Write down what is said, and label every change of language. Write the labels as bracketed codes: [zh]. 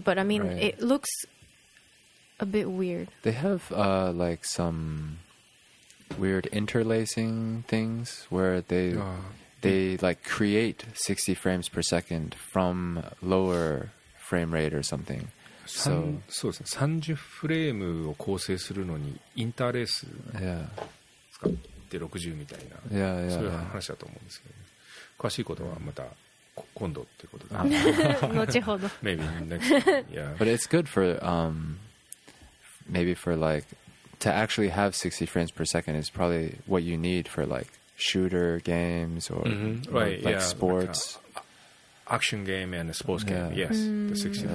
[en] But, I mean, it looks... A bit weird. They have like some weird interlacing things where they like create 60 frames per second from lower frame rate or something. So, [ja] そうですね。 30フレームを構成するのにインターレース使って60みたいな、 [en] yeah. [ja] そういう話だと思うんですけど、ね、詳しいことはまた。今度ってことだ。後ほど。 [en] Maybe next. Yeah. But it's good for Maybe for like to actually have 60 frames per second is probably what you need for like shooter games or, mm-hmm. right, or like yeah, sports like action game and a sports game. Yeah. Yes, the 60 yeah.